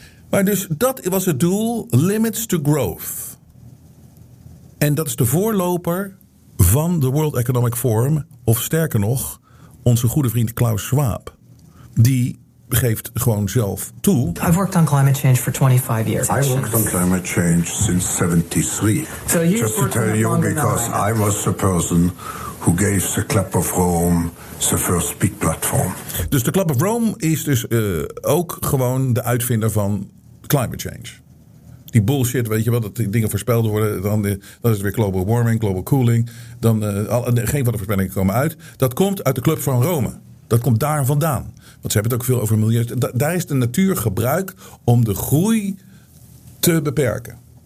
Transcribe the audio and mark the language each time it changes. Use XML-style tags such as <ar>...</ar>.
<nl>Maar dus dat was het doel, Limits to Growth. En dat is de voorloper van de World Economic Forum, of sterker nog, onze goede vriend Klaus Schwab, die geeft gewoon zelf toe.</nl> <en>I've worked on climate change for 25 years. I worked on climate change since 73. So you just to tell you, because I was the person who gave the Club of Rome the first big platform.</en> <nl>Dus de Club of Rome is dus ook gewoon de uitvinder van climate change. Die bullshit, weet je wel, dat die dingen voorspeld worden. Dan is het weer global warming, global cooling. Geen van de voorspellingen komen uit. Dat komt uit de Club van Rome. Dat komt daar vandaan. Want ze hebben het ook veel over milieu. Daar is de natuur gebruikt om de groei te beperken.</nl>